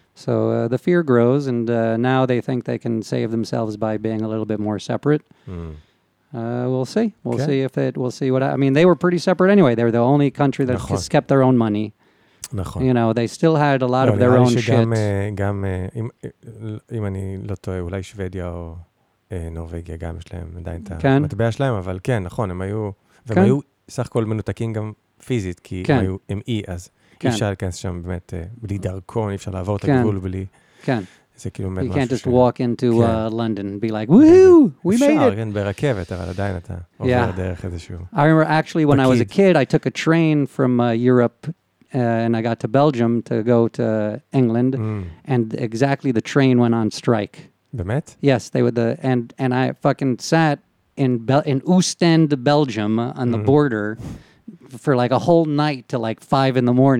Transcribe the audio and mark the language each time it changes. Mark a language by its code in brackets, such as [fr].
[en] So the fear grows, and now they think they can save themselves by being a little bit more separate. We'll see. I mean, they were pretty separate anyway. They were the only country that just kept their own money. [he] נכון. [en] You know, they still had a lot of their own shit. [he] גם, אם אני לא טועה, אולי שוודיה או נורווגיה גם יש להם עדיין את המטבע שלהם, אבל כן, נכון, הם היו, והם היו סך הכל מנותקים גם פיזית, כי הם היו אי, אז אי אפשר להיכנס שם באמת בלי דרכון, אי אפשר לעבור את הגבול בלי... כן. זה כאילו [en] you can't just walk into London and be like, woohoo, we made it. [he] כן, ברכבת, אבל עדיין אתה עובר דרך איזשהו... [en] I remember actually when I was a kid, I took a train from Europe and I got to Belgium to go to England and exactly the train went on strike. [he] באמת? [en] Yes, they were and I fucking sat in Oostend, Belgium on the border for like a whole night to like 5 a.m.